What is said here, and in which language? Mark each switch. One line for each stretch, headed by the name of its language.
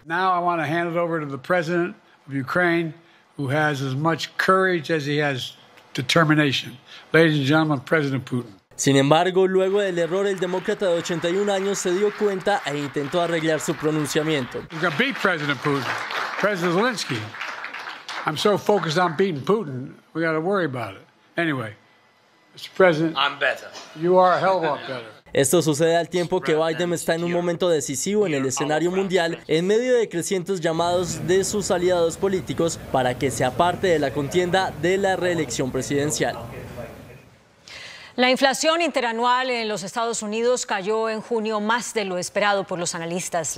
English: Now I want to hand it over to the president of Ukraine, who has as much courage as he has determination. Ladies and gentlemen, President Putin.
Spanish: Sin embargo, luego del error, el demócrata de 81 años se dio cuenta e intentó arreglar su pronunciamiento.
English: President Putin. President Zelensky. I'm so focused on beating Putin, we got to worry about it. Anyway, Mr. President, I'm better. You are a hell of a lot better.
Spanish: Esto sucede al tiempo que Biden está en un momento decisivo en el escenario mundial, en medio de crecientes llamados de sus aliados políticos para que se aparte de la contienda de la reelección presidencial. La inflación interanual en los Estados Unidos cayó en junio más de lo esperado por los analistas.